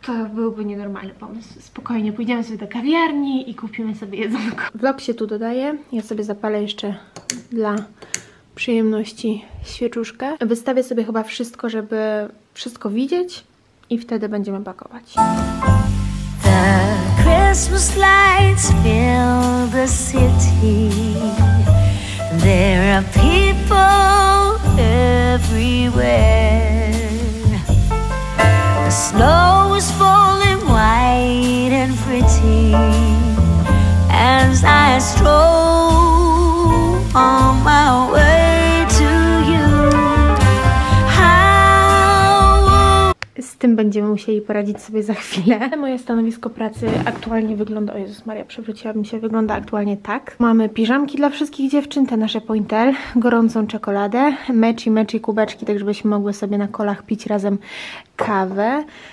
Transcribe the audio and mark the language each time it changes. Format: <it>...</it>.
<pl>To byłby nienormalny pomysł. Spokojnie, pójdziemy sobie do kawiarni i kupimy sobie jedzonko. Vlog się tu dodaje. Ja sobie zapalę jeszcze dla przyjemności świeczuszkę. Wystawię sobie chyba wszystko, żeby wszystko widzieć i wtedy będziemy pakować.</pl> <en>The Christmas lights fill the city. There are people everywhere. The snow is falling white and pretty as I stroll on my way to you. How...</en> <pl>Z tym będziemy musieli poradzić sobie za chwilę. Moje stanowisko pracy aktualnie wygląda... O Jezus Maria, przewróciłabym się. Wygląda aktualnie tak. Mamy piżamki dla wszystkich dziewczyn, te nasze Pointel, gorącą czekoladę, meci kubeczki, tak żebyśmy mogły sobie na kolach pić razem kawę.</pl>